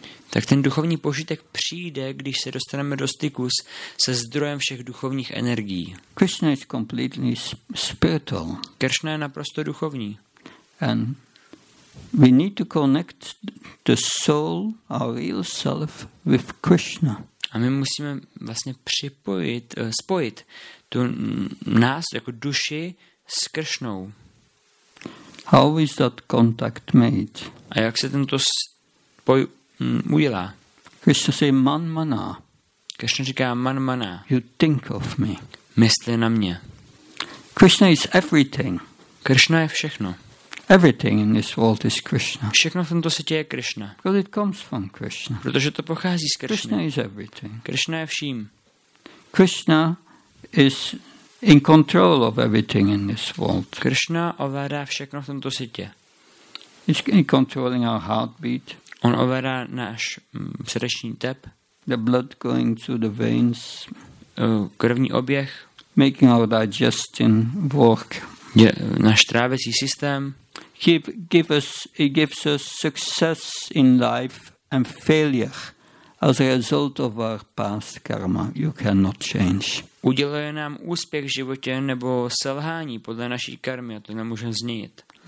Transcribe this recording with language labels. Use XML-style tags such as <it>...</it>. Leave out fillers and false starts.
<cs>Tak ten duchovní požitek přijde, když se dostaneme do styku se zdrojem všech duchovních energií.</cs> <en>Krishna is completely spiritual.</en> <cs>Krishna je naprosto duchovní.</cs> <en>And we need to connect the soul, our real self, with Krishna.</en> <cs>A my musíme vlastně připojit, spojit tu nás jako duši s Krishnou.</cs> <en>How is that contact made?</en> <cs>A jak se tento spoj udělá? Krishna říká manmana. Krishna říká manmana.</cs> <en>You think of me.</en> <cs>Myslí na mě.</cs> <en>Krishna is everything.</en> <cs>Krishna je všechno.</cs> <en>Everything in this world is Krishna.</en> <cs>Všechno v tomto světě je Krishna.</cs> <en>Because it comes from Krishna.</en> <cs>Protože to pochází z Krishny.</cs> <en>Krishna is everything.</en> <cs>Krishna je vším.</cs> <en>Krishna is in control of everything in this world.</en> <cs>Krishna ovládá všechno v tomto světě.</cs> <en>He's in controlling our heartbeat.</en> <cs>On ovládá náš srdeční tep.</cs> <en>The blood going through the veins.</en> <cs>Krvní oběh.</cs> <en>Making our digestion work.</en> <cs>Je náš trávicí systém.</cs> <en>He gives us success in life and failure as a result of our past karma. You cannot change.</en> <cs>Uděluje nám úspěch v životě nebo selhání podle naší karmy, a to nemůžeme změnit.</cs>